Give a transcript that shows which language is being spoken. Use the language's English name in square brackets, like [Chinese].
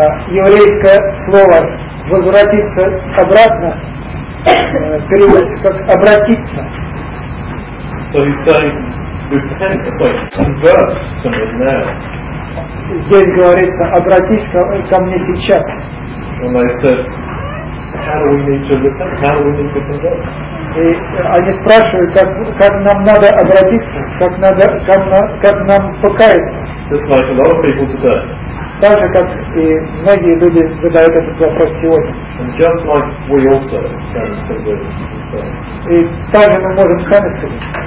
[Russian] Еврейское слово возвратиться обратно переводится как обратиться. [English] So he's saying repent, sorry, convert to me now. [Russian] Здесь говорится обратись ко мне сейчас. [English] And I said, how do we need to repent? How do we need to convert? [Russian] И они спрашивают, как нам надо обратиться, как нам покаяться. [English] Just like a lot of people today. [Russian] Так же, как и многие люди задают этот вопрос сегодня. [English] And just like we also can say. [Russian] И так же мы можем сами сказать.